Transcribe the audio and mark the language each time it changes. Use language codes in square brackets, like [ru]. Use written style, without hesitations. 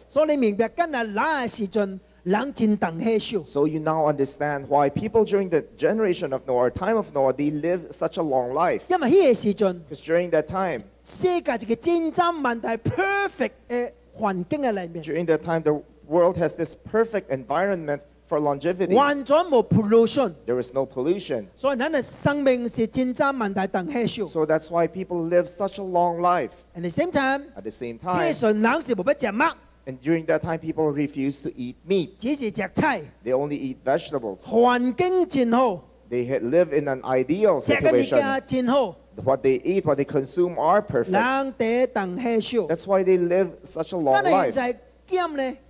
[en] So you now understand why people during the generation of Noah, time of Noah, they lived such a long life. Because during that time, during that time, the world has this perfect environment for longevity. [zh] 完全没pollution. [en] There is no pollution. [zh] 所以人的生命是真正万代长寿. [en] So that's why people live such a long life. At the same time, And during that time, people refuse to eat meat. [zh] 只是吃菜. [en] They only eat vegetables. [zh] 环境真好. [en] They live in an ideal situation. What they eat, what they consume are perfect. That's why they live such a long life.